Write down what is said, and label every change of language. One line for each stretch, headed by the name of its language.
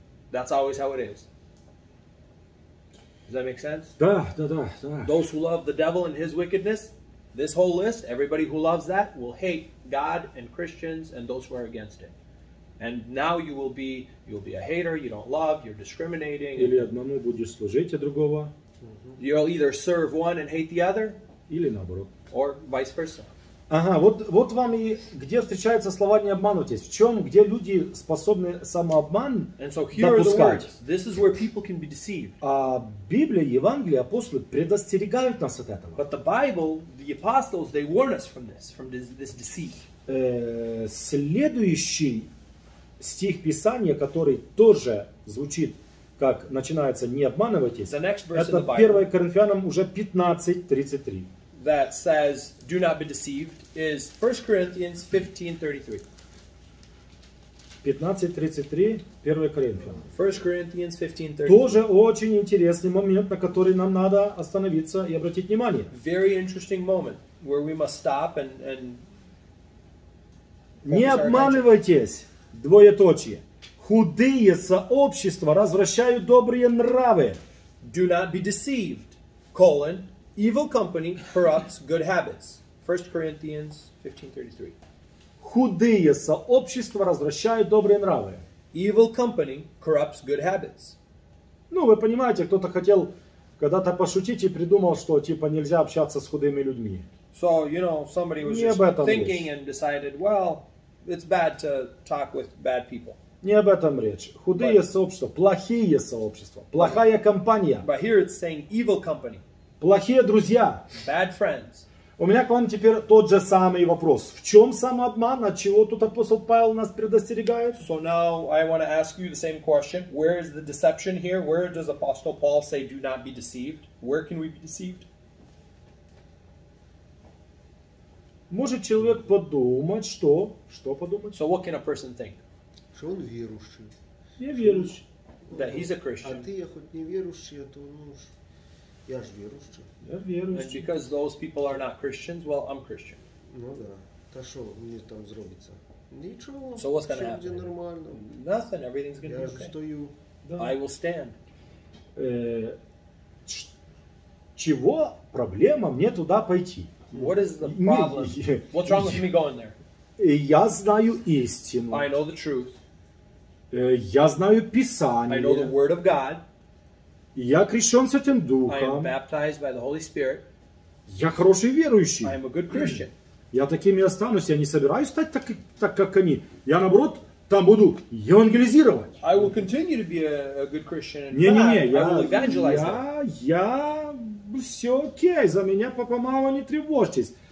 English: That's always how it is. Does that make sense?
Russian: Да.
English: Those who love the devil and his wickedness, this whole list, everybody who loves that will hate God and Christians and those who are against it. And now you will be a hater, you don't love, you're discriminating.
Russian: Или одному будешь служить, а другого.
English: You'll either serve one and hate the other.
Russian: Или наоборот.
English: Or vice versa.
Russian: Ага, вот вам и где встречаются слова «не обманывайтесь». В чем, где люди способны самообман допускать.
English: And so here are the words. This is where people can be deceived.
Russian: А Библия, Евангелие, апостолы предостерегают нас от этого.
English: But the Bible, the apostles, they warn us from this deceit.
Russian: Следующий стих Писания, который тоже звучит, как начинается «не обманывайтесь», это 1 Коринфянам уже 15:33.
English: That says, do not be deceived, is 1 Corinthians 15:33. 15:33, 1 Corinthians. 1 Corinthians 15:33. Very interesting moment where we must stop and
Russian: не обманывайтесь. Двоеточие. Худые сообщества развращают добрые нравы.
English: Do not be deceived. Colon. Evil company corrupts good habits. 1 Corinthians 15:33.
Russian: Худые сообщества развращают добрые нравы.
English: Evil company corrupts good habits.
Russian: Ну, вы понимаете, кто-то хотел когда-то пошутить и придумал, что типа нельзя общаться с худыми людьми.
English: So, you know, somebody was just thinking and decided, well, it's bad to talk with bad people.
Russian: Не об этом речь. Худые сообщества, плохие сообщества, плохая компания.
English: But here it's saying evil company.
Russian: Плохие друзья.
English: Bad friends.
Russian: У меня к вам теперь тот же самый вопрос. В чем самообман? От чего тут апостол Павел нас предостерегает?
English: So now I want to ask you the same question. Where is the deception here? Where does Apostle Paul say do not be deceived? Where can we be deceived?
Russian: Может человек подумать, что? Что подумать?
English: So what can a person think?
Russian: Что он верующий. Я верующий.
English: That he's a Christian.
Russian: А ты, я хоть не верующий, а то, ну, я же верующий. Я верующий.
English: And because those people are not Christians, well, I'm Christian.
Russian: Ну да.
Ukrainian: Та що мені там зробиться? Нічого.
English: So what's gonna happen?
Ukrainian: Все нормально.
English: Nothing, everything's gonna be okay.
Ukrainian: Я стою.
English: I will stand.
Ukrainian: Чого проблема мені туди пойти?
English: What is the problem? What's wrong with me going there?
Ukrainian: Я знаю істину.
English: I know the truth.
Ukrainian: Я знаю Писання.
English: I know the word of God.
Ukrainian: Я крещен Святим Духом.
English: I am baptized by the Holy Spirit.
Russian: Я хороший верующий.
English: I am a good Christian.
Russian: Я таким і останусь, я не собираюсь стати так, як вони. Я, наоборот, там буду евангелізувати.
English: I will continue to be a good Christian.
Ukrainian: Ні, я все окей, за мене папа, мама, не тривожтесь.